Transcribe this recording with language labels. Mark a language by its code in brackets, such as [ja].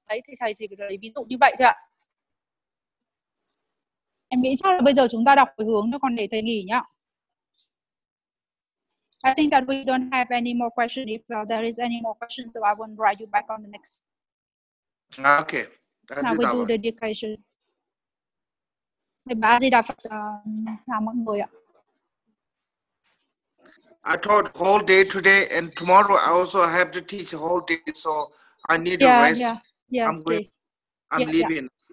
[vi] Đấy thì thầy chỉ lấy ví dụ như vậy thôi ạ. Em nghĩ chắc là bây giờ chúng ta đọc về hướng thôi, còn để thầy nghỉ nhá. [en] I think that we don't have any more questions. If there is any more questions, so I will write you back on the next. Okay. Now we do the dedication. [vi] Bà Di Đà Phật chào mọi người ạ. [en] I taught whole day today and tomorrow I also have to teach whole day, so I need a rest. Yeah, yes, I'm leaving.